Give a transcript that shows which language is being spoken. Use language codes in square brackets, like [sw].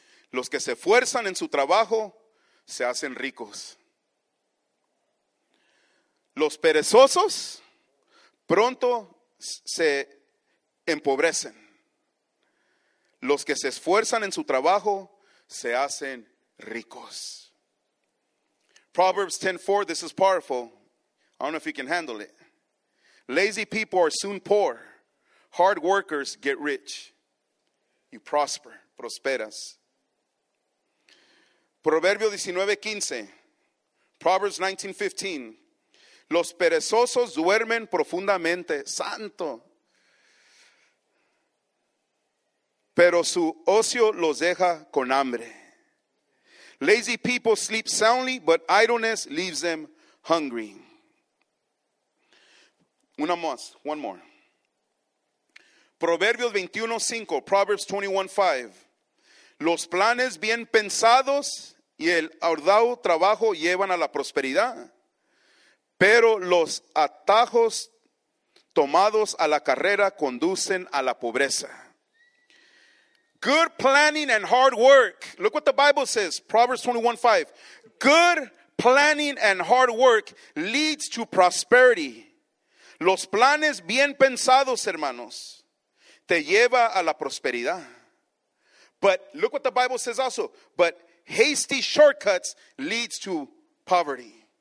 [es] Los que se esfuerzan en su trabajo se hacen ricos. Los perezosos pronto se empobrecen. Los que se esfuerzan en su trabajo se hacen ricos. [en] Proverbs 10:4, this is powerful. I don't know if you can handle it. Lazy people are soon poor. Hard workers get rich. You prosper, prosperas. [es] Proverbio 19:15. Proverbs 19:15. Los perezosos duermen profundamente. Santo. Pero su ocio los deja con hambre. [en] Lazy people sleep soundly, but idleness leaves them hungry. [es] Una más, [en] one more. [es] Proverbios 21:5, Proverbs 21:5. Los planes bien pensados y el arduo trabajo llevan a la prosperidad, pero los atajos tomados a la carrera conducen a la pobreza. [en] Good planning and hard work. Look what the Bible says, Proverbs 21:5. Good planning and hard work leads to prosperity. [es] Los planes bien pensados, hermanos, te lleva a la prosperidad. [en] But look what the Bible says also. But hasty shortcuts leads to poverty.